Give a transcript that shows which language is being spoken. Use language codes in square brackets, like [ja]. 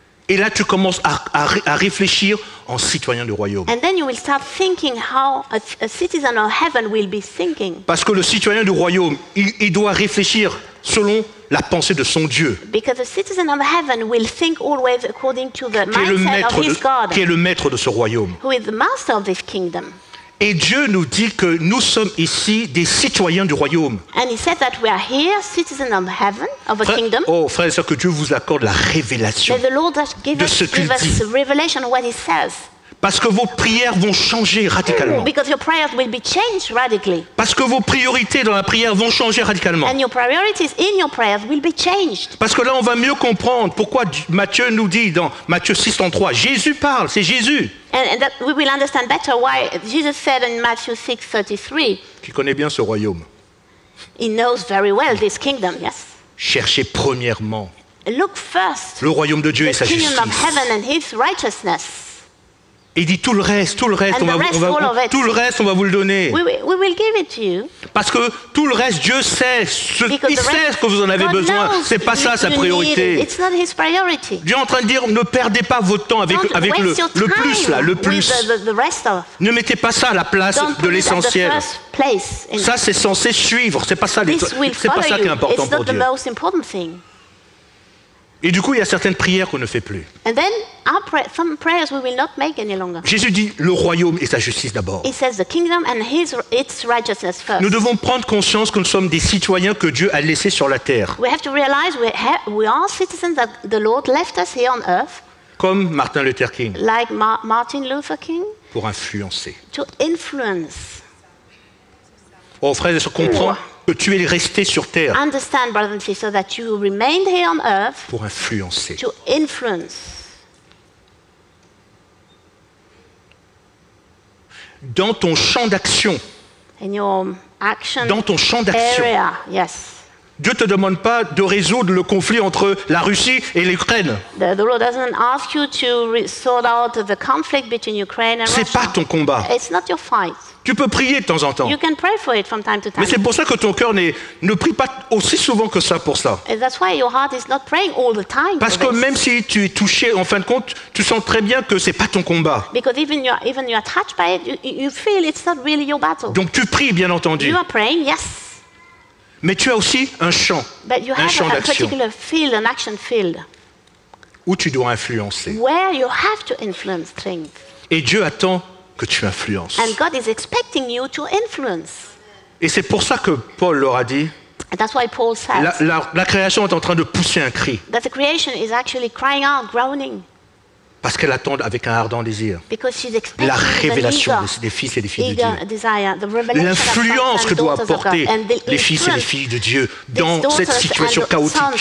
[fr] Et là, tu commences à réfléchir en citoyen du royaume. [en] And then you will start thinking how a citizen of heaven will be thinking. [fr] Parce que le citoyen du royaume, il doit réfléchir selon la pensée de son Dieu. [en] Because the citizen of heaven will think always according to the mindset of his God. [fr] Qui est le maître de ce royaume. [en] Who is the master of this kingdom. [fr] Et Dieu nous dit que nous sommes ici des citoyens du royaume. [en] And he said that we are here citizens of heaven of a kingdom. [fr] Oh frères et sœurs, que Dieu vous accorde la révélation. [en] May the Lord give us the revelation of what he says. [fr] Parce que vos prayers vont changer radicalement. [en] Because your prayers will be changed radically. [fr] Parce que vos priorités dans la prière vont changer radicalement. [en] And your priorities in your prayers will be changed. [fr] Parce que là on va mieux comprendre pourquoi Matthieu nous dit dans Matthieu 6:33, Jésus parle, c'est Jésus. [en] And that we will understand better why Jesus said in Matthew 6:33. [fr] Qui connaît bien ce royaume. [en] He knows very well this kingdom, yes. [fr] Cherchez premièrement. [en] Look first. [fr] Le royaume de Dieu et sa justice. [en] The kingdom of heaven and his righteousness. [fr] Il dit tout le reste, tout le reste, on va vous le donner. [en] We will give it to you. [fr] Parce que tout le reste, Dieu sait, il sait ce que vous en avez [en] God [fr] besoin. C'est pas ça sa priorité. [en] It's not his priority. [fr] Dieu est en train de dire, ne perdez pas votre temps avec le plus là, le plus. Ne mettez pas ça à la place de l'essentiel. Ça c'est censé suivre. C'est pas ça. C'est pas ça qui est important pour Dieu. Et du coup, il y a certaines prières qu'on ne fait plus. [en] And then, some prayers we will not make any longer. [fr] Jésus dit le royaume et sa justice d'abord. [en] He says the kingdom and its righteousness first. [fr] Nous devons prendre conscience que nous sommes des citoyens que Dieu a laissés sur la terre. [en] We have to realize we are citizens that the Lord left us here on earth. [fr] Comme Martin Luther King. [en] Like Martin Luther King. [fr] Pour influencer. [en] To influence. [fr] Oh frère, est-ce qu'on comprend? Que tu es resté sur terre. [en] Understand, brothers and sisters, that you remained here on earth. [fr] Pour influencer. [en] To influence. [fr] Dans ton champ d'action. [en] In your action. [fr] Dans ton champ d'action. [en] Area, yes. [fr] Dieu ne te demande pas de résoudre le conflit entre la Russie et l'Ukraine. [en] The Lord doesn't ask you to sort out the conflict between Ukraine and Russia. [fr] C'est pas ton combat. [en] It's not your fight. [fr] Tu peux prier de temps en temps. [en] You can pray for it from time to time. [fr] Mais c'est pour ça que ton cœur ne prie pas aussi souvent que ça pour ça. [en] And that's why your heart is not praying all the time. [fr] Parce que même si tu es touché, en fin de compte, tu sens très bien que c'est pas ton combat. [en] Because even you're touched by it, you feel it's not really your battle. [fr] Donc tu pries, bien entendu. [en] You are praying, yes. [fr] Mais tu as aussi un champ, d'action. [en] Particular field, an action field, [fr] où tu dois influencer. [en] Where you have to influence things. [fr] Et Dieu attend que tu influences. [en] And God is expecting you to influence. [fr] Et c'est pour ça que Paul leur a dit, [en] that's why Paul says, [fr] la création est en train de pousser un cri. [en] That the creation is actually crying out, groaning. [fr] Parce qu'elle attend avec un ardent désir la révélation des fils et des filles de Dieu. L'influence que doivent apporter les fils et les filles de Dieu dans cette situation chaotique.